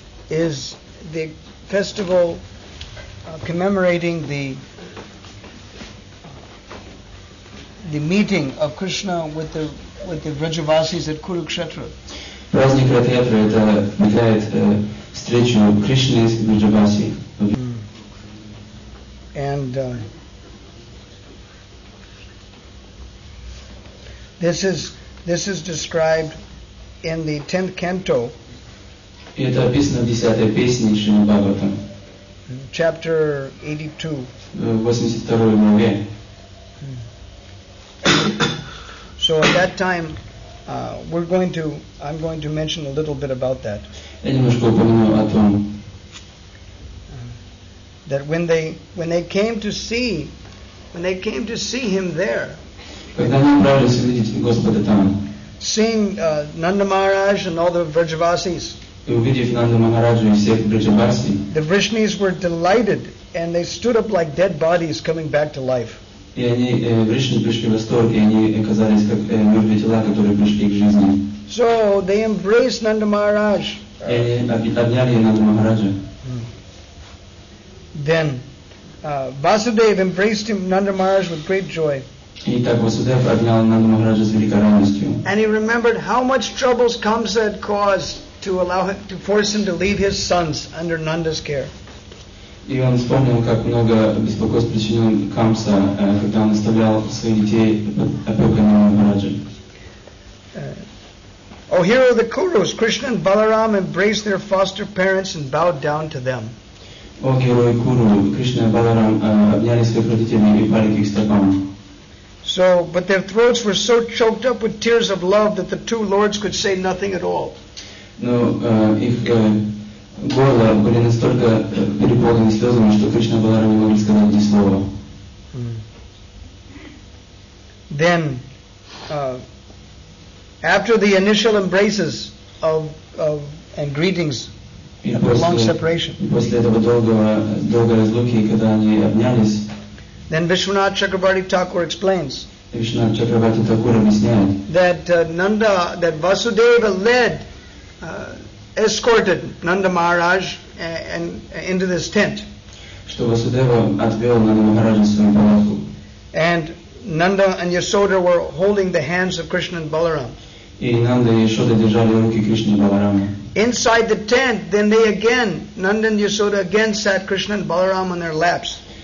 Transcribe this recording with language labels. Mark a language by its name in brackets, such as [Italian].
[English] is the festival commemorating the meeting of Krishna with the Vrajavasis at Kurukshetra. [Russian] Праздник Ратхатры это отмечает встречу Кришны с Враджаваси. [English] And this is described in the 10th canto. [Russian] Это описано в 10-й песне Шримад Бхагаватам. [English] Chapter [Russian] 82. 82-й главе. [English] So at that time I'm going to mention a little bit about that. [Russian] Я немножко упомяну о том. [English] That when they came to see him there, [Russian] когда они отправились увидеть Господа там, [English] seeing Nanda Maharaj and all the Vrajavasis, [Russian] увидев Нанду Махараджу и всех Вриджаваси, [English] the Vrishnis were delighted and they stood up like dead bodies coming back to life. [Russian] И они Вришни пришли в восторг и они оказались как мертвые тела, которые пришли к жизни. [English] So they embraced Nanda Maharaj. [Russian] И они обняли Нанду Махараджу. [English] Then Vasudev embraced him, Nanda Maharaj, with great joy. [Russian] И так Васудев обнял Нанду Махараджа с великой радостью. [English] And he remembered how much troubles Kamsa had caused to allow him, to force him to leave his sons under Nanda's care. [Russian] И он вспомнил, как много беспокойств причинил Камса, когда он оставлял своих детей опекой Нанды Махараджи. [English] Oh, here are the Kurus. Krishna and Balaram embraced their foster parents and bowed down to them. [Russian] О герои Куру, Кришна и Баларам обняли своих родителей и пали к их стопам. [English] So, but their throats were so choked up with tears of love that the two lords could say nothing at all. [Russian] Но их горло были настолько переполнены слезами, что Кришна и Баларам не могли сказать ни слова. [English] Then, after the initial embraces of and greetings. [Russian] После этого долгой разлуки, когда они обнялись, [English] then Vishwanath Chakrabarti Thakur explains that Nanda, that Vasudeva led, escorted Nanda Maharaj and into this tent. [Russian] Что Васудева отвел Нанда Махараджа в свою палатку. [English] And Nanda and Yasoda were holding the hands of Krishna and Balaram. [Russian] И Нанда и Ясода держали руки Кришны и Баларамы. [English] Inside the tent, then they again, Nanda and Yasoda again sat Krishna and Balaram on their laps.